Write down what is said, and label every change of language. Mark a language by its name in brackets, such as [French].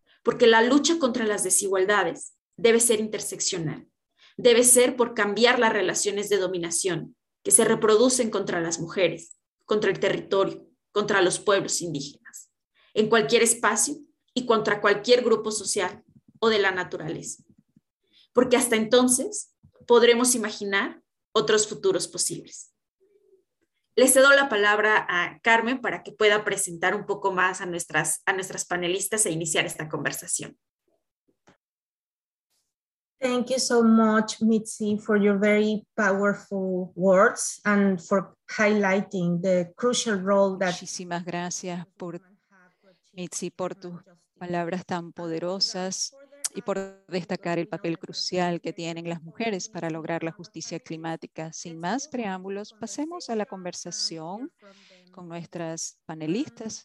[Spanish] Porque la lucha contra las desigualdades debe ser interseccional, debe ser por cambiar las relaciones de dominación que se reproducen contra las mujeres, contra el territorio, contra los pueblos indígenas, en cualquier espacio y contra cualquier grupo social o de la naturaleza. Porque hasta entonces podremos imaginar otros futuros posibles. Le cedo la palabra a Carmen para que pueda presentar un poco más a nuestras panelistas e iniciar esta conversación. [English] Thank you so much, Mitzi, for your very powerful words and for highlighting the crucial role that. [Spanish] Muchísimas gracias por Mitzi por tus palabras tan poderosas y por destacar el papel crucial que tienen las mujeres para lograr la justicia climática. Sin más preámbulos, pasemos a la conversación con nuestras panelistas.